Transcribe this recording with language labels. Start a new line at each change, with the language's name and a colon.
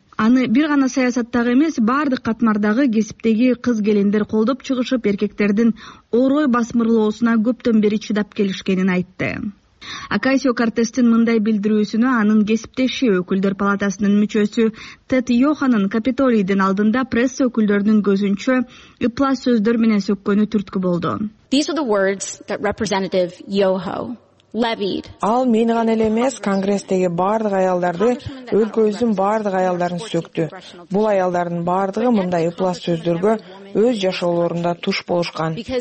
Kyrgyz: Аны бир гана саясаттагы эмес, бардык катмардагы кесиптеги кыз келиндер колдоп чыгышып, эркектердин орой басмырлоосуна көптөн бери чыдап келишкенин айтты. Окасио-Кортестин мындай билдирүүсүнө анын кесиптеши өкүлдөр палатасынын мүчөсү Тед Йоханан Капитолийдин алдында пресса өкүлдөрүнүн көзүнчө ыплас сөздөр менен сөккөнү түрткү болду.
English: These are the words that Representative Yoho levied.
Kyrgyz: Ал мени гана эле эмес, конгресстеги бардык аялдарды, өлкөбүздүн бардык аялдарын сөктү. Бул аялдардын бардыгы мындай ыплас сөздөргө өз жашоолорунда туш болушкан.